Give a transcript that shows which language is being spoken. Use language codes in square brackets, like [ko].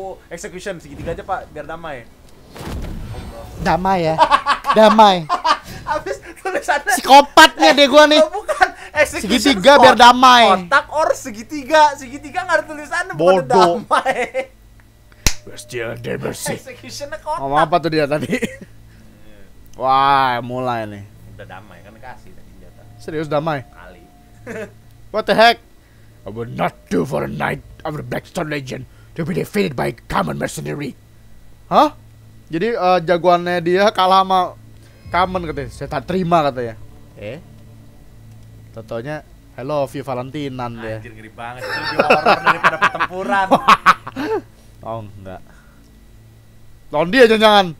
[id] Execution segitiga aja, Pak, biar damai. Allah. Damai ya. Damai. Abis tulisannya psikopatnya deh gua nih. Bukan. Segitiga or, biar damai. Kotak or segitiga. Segitiga enggak ada tulisannya, bukan damai. [en] We're still in democracy. [id] Executionnya kotak. Ngomong apa tuh dia tadi? Wah, mulai nih. Udah damai kan kasih tadi senjata. Serius damai? Kali. [en] What the heck? I will not do for a knight of the Blackstone Legion to be defeated by common mercenary. Hah? [id] Jadi jagoannya dia kalah sama Kamen katanya, saya tak terima katanya. Eh? Tentunya, hello Viva Valentinan. Anjir, dia anjir, ngeri banget, itu lebih horror daripada pertempuran. Oh enggak. Lawan dia jangan-jangan.